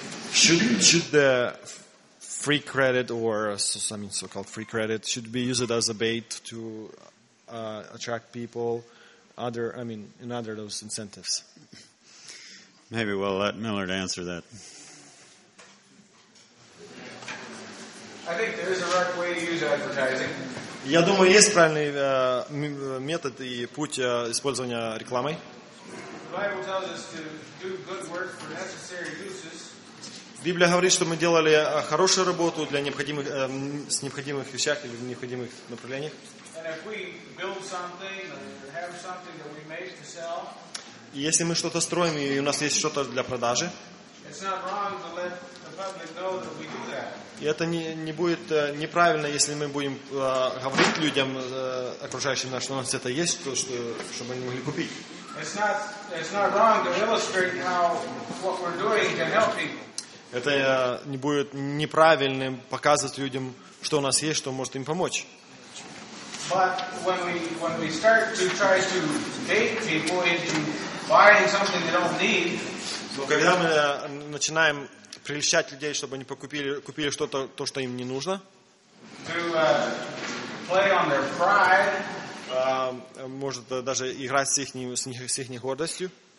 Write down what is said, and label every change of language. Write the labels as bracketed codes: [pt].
[en] Should the free credit or something so-called free credit should be used as a bait to attract people? Other those incentives. Maybe we'll let Millard answer that. I think there is a right way to use advertising. [ru] Я думаю, есть правильный метод и путь использования рекламой. [en] The Bible tells us to do good work for necessary uses. [ru] Библия говорит, что мы делали хорошую работу для необходимых с необходимых вещах или в необходимых направлениях. [en] And if we build something or have something that we make to sell. [ru] И если мы что-то строим и у нас есть что-то для продажи. [en] It's not wrong to let the public know that we do that. [ru] И это не будет неправильно, если мы будем говорить людям окружающим нас, что у нас это есть, то что чтобы они могли купить. [en] It's not wrong to illustrate how what we're doing can help people. [ru] Это не будет неправильным показывать людям, что у нас есть, что может им помочь. [en] But when we start to try to bait people into buying something they don't need. [ru] Но когда мы начинаем прельщать людей, чтобы они купили что-то, то, что им не нужно. [en] To play on their pride. [ru] Может даже играть с их гордостью.